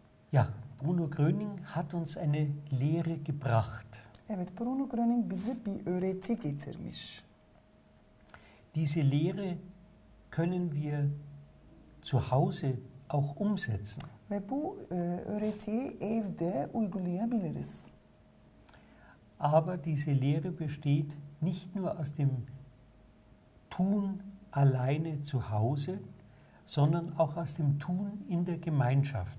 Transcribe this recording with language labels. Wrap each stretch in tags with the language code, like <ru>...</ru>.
<de>Ja, Bruno Gröning hat uns eine Lehre gebracht.</de> <tr>Evet, Bruno Gröning bize bir öğreti getirmiş.</tr> <de>Diese Lehre können wir zu Hause auch umsetzen.</de> <tr>Ve bu öğretiyi evde uygulayabiliriz.</tr> <de>Aber diese Lehre besteht nicht nur aus dem Tun alleine zu Hause, sondern auch aus dem Tun in der Gemeinschaft.</de>